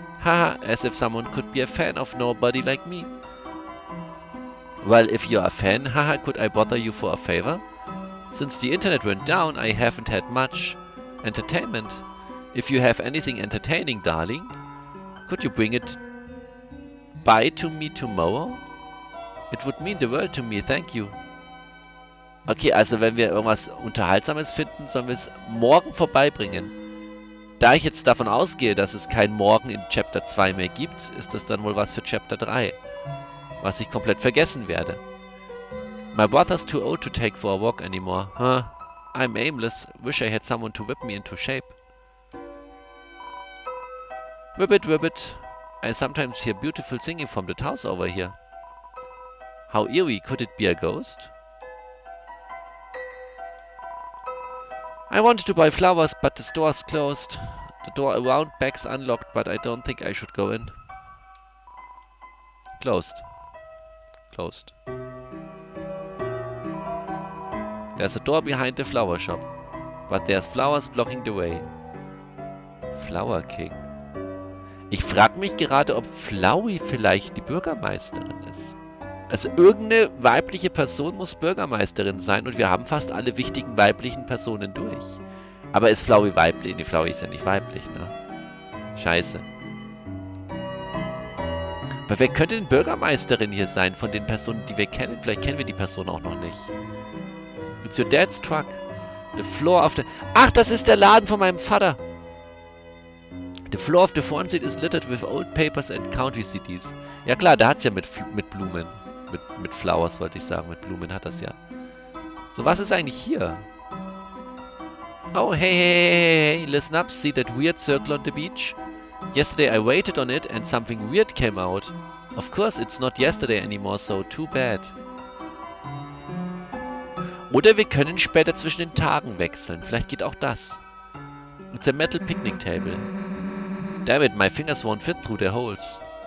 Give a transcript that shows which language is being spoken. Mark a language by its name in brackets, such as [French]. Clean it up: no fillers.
[English] Haha, as if someone could be a fan of nobody like me. Well, if you're a fan, haha, could I bother you for a favor? Since the internet went down, I haven't had much entertainment. If you have anything entertaining, darling, could you bring it by to me tomorrow? It would mean the world to me, thank you. [German] Okay, also wenn wir irgendwas Unterhaltsames finden, sollen wir es morgen vorbeibringen. Da ich jetzt davon ausgehe, dass es kein Morgen in Chapter 2 mehr gibt, ist das dann wohl was für Chapter 3, was ich komplett vergessen werde. [English] My brother's too old to take for a walk anymore. Huh? I'm aimless. Wish I had someone to whip me into shape. Ribbit. I sometimes hear beautiful singing from the house over here. How eerie. Could it be a ghost? I wanted to buy flowers, but the store's closed. The door around back's unlocked, but I don't think I should go in. Closed. There's a door behind the flower shop, but there's flowers blocking the way. Flower King. [German] Ich frag mich gerade, ob Flowey vielleicht die Bürgermeisterin ist. Also irgendeine weibliche Person muss Bürgermeisterin sein und wir haben fast alle wichtigen weiblichen Personen durch. Aber ist Flowey weiblich? Nee, Flowey ist ja nicht weiblich, ne? Scheiße. Aber wer könnte denn Bürgermeisterin hier sein von den Personen, die wir kennen? Vielleicht kennen wir die Person auch noch nicht. [English] It's your dad's truck. The floor of the... [German] Ach, das ist der Laden von meinem Vater. [English] The floor of the front seat is littered with old papers and country CDs. [German] Ja klar, da hat's ja mit Blumen. Mit Flowers, wollte ich sagen. Mit Blumen hat das ja. So, was ist eigentlich hier? [English] Oh, hey. Listen up. See that weird circle on the beach? Yesterday I waited on it and something weird came out. Of course, it's not yesterday anymore, so too bad. [German] Oder wir können später zwischen den Tagen wechseln. Vielleicht geht auch das. [English] It's a metal picnic table. Damn it, my fingers won't fit through the holes.